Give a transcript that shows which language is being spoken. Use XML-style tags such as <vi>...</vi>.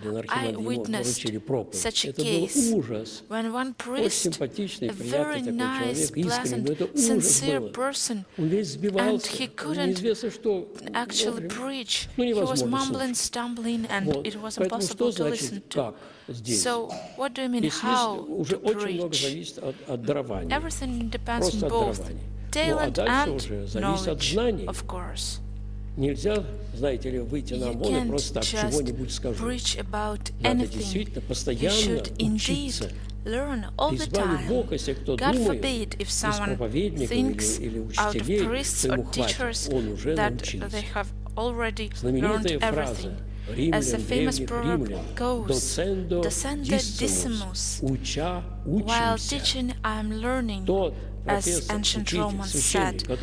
<en>I witnessed such a case when one priest, a very nice, pleasant, sincere person, and he couldn't actually preach. He was mumbling, stumbling, and it was impossible to listen to. So, what do you mean, how to preach? Everything depends on both talent and knowledge, of course.</en> <ru>Нельзя, знаете ли, выйти на воле просто так чего-нибудь скажу. Надо действительно постоянно учиться.</ru> <en>Learn all the time. God forbid if someone thinks out of priests or teachers that they have already learned everything. As the famous proverb goes, docendo decimus, while teaching I am learning, as ancient Romans said.</en>